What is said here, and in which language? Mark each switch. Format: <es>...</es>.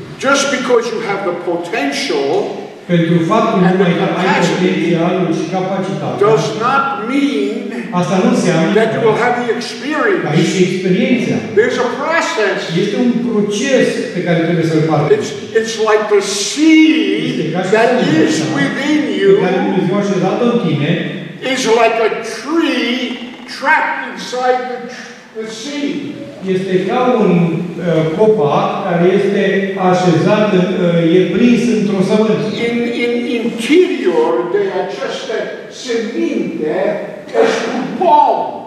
<en>Just because you have the potential,</en> <ro>pentru faptul că ai potențialul și capacitatea,</ro> <en>does not mean</en> <ro>asta nu înseamnă</ro> <en>that you will have the experience.</en> <ro>Aici e experiența.</ro> <en>There's a process.</en> <ro>Este un proces pe care trebuie să-l faci.</ro> <en>It's like the seed that is within you.</en> <ro>Care Dumnezeu a așezat în tine.</ro> <en>Is like a tree trapped inside the sea.</en> <ro>Este ca un copac care este așezat, e prins într-o sămânță. In interior de aceste seminte este un pom.</ro>